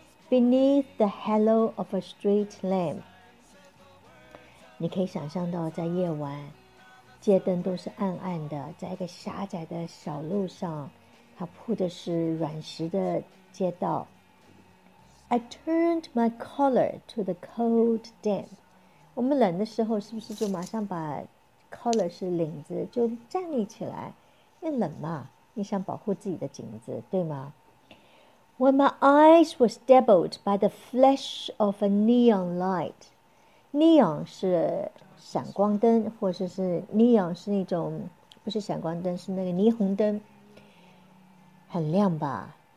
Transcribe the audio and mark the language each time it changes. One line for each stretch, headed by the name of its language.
English: Beneath the halo of a street lamp，
Chinese: 你可以想象到在夜晚街灯都是暗暗的，在一个狭窄的小路上，它铺的是软石的街道。
English: I turned my collar to the cold damp.
Chinese: 我们冷的时候是不是就马上把 collar 是领子就站立起来，因为冷嘛，你想保护自己的颈子，对吗？
English: When my eyes were dabbled by the flash of a neon light.
Chinese: Neon 是闪光灯，或者是 neon 是那种，不是闪光灯，是那个霓虹灯，很亮吧。